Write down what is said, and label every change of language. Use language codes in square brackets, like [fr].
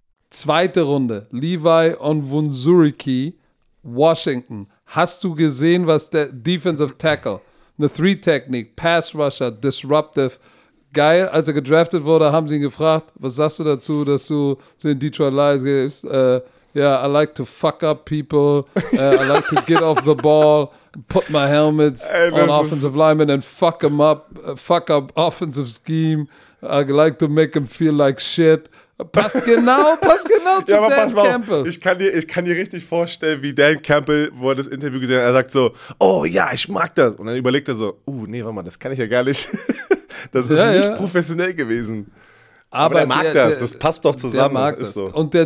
[de] Zweite Runde, Levi und Wunsuriki, Washington. Hast du gesehen, was der Defensive Tackle, eine Three-Technik, Pass-Rusher, Disruptive, geil, als er gedraftet wurde, haben sie ihn gefragt, was sagst du dazu, dass du zu den Detroit Lions gehst? [en] Yeah, I like to fuck up people, I like to get off the ball, put my helmets on offensive linemen and fuck them up, fuck up offensive scheme, I like to make them feel like shit. [de] Passt genau zu ja, Dan Campbell. Ich kann dir richtig vorstellen, wie Dan Campbell, wo er das Interview gesehen hat, er sagt so, oh ja, ich mag das. Und dann überlegt er so, nee, warte mal, das kann ich ja gar nicht. Das ist ja nicht professionell gewesen. Aber er mag das, das passt doch zusammen. Der mag das. So, und der